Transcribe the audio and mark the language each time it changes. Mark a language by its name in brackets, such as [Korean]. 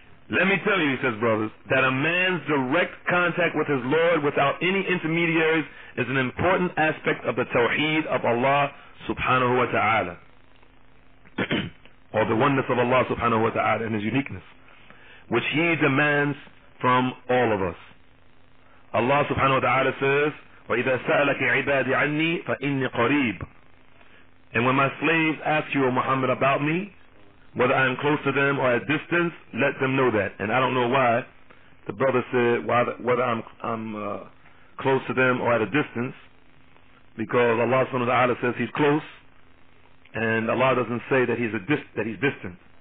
[English] Let me tell you, he says, brothers, that a man's direct contact with his Lord without any intermediaries is an important aspect of the Tawheed of Allah subhanahu wa ta'ala, or the oneness of Allah subhanahu wa ta'ala and his uniqueness, which he demands from all of us. Allah subhanahu wa ta'ala says, [Arabic] وَإِذَا سَأَلَكَ عِبَادِ عَنِّي فَإِنِّي قَرِيبٌ. [English] And when my slaves ask you, O Muhammad, about me, whether I am close to them or at distance, let them know that. And I don't know why the brother said whether I'm close to them or at a distance, because Allah subhanahu wa ta'ala says he's close, and Allah doesn't say that he's distant.